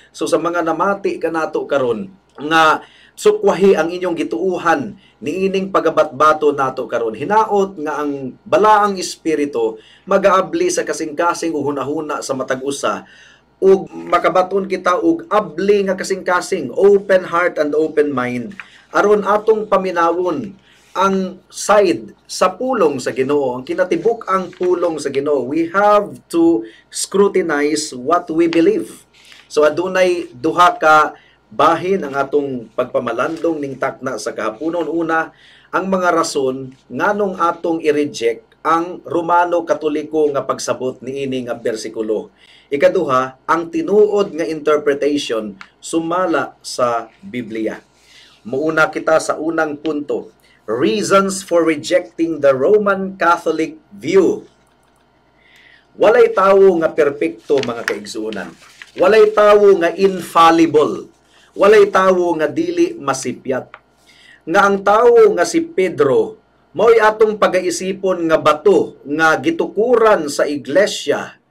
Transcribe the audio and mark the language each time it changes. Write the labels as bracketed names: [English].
[Cebuano] So sa mga namati ka nato karon nga sukwahi ang inyong gituuhan niining pagabatbato nato karon, hinaot nga ang balaang Espiritu mag-aabli sa kasing-kasing uhuna-huna sa matag-usa ug makabaton kita ug abli nga kasing-kasing [English] open heart and open mind [Cebuano] aron atong paminawon ang side sa pulong sa Ginoo, ang kinatibuk ang pulong sa Ginoo. [English] We have to scrutinize what we believe. [Cebuano] So adunay duha ka bahin ang atong pagpamalandong ning takna sa kahaponon. Una, ang mga rason nganong atong i-reject ang Romano Katoliko nga pagsabot niini nga bersikulo. Ikaduha, ang tinuod nga interpretation sumala sa Biblia. Muuna kita sa unang punto. [English] Reasons for rejecting the Roman Catholic view. [Cebuano] Walay tawo nga perpekto, mga kaigsuonan. Walay tawo nga infallible. Walay tawo nga dili masipyat. Nga ang tawo nga si Pedro, mao'y atong pag-aisipon nga bato nga gitukuran sa iglesia.